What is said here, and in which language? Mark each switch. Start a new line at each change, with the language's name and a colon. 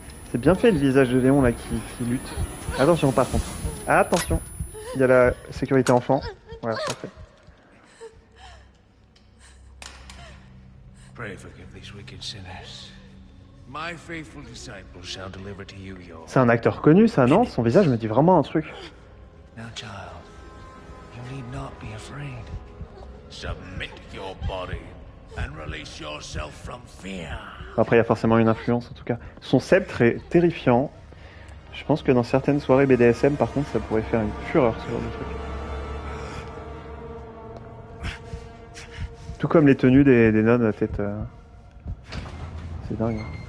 French: C'est bien fait le visage de Léon là qui lutte. Attention par contre. Attention. Il y a la sécurité enfant. Voilà, parfait.
English: Pray forgive these wicked sinners. My faithful disciple shall deliver to you your...
French: C'est un acteur connu ça, non? Son visage me dit vraiment un truc.
English: Now, child, you need not be afraid. Submit your body. And release yourself from fear.
French: Après, il y a forcément une influence, en tout cas. Son sceptre est terrifiant. Je pense que dans certaines soirées BDSM, par contre, ça pourrait faire une fureur, ce genre de truc. Tout comme les tenues des nonnes à tête. C'est dingue.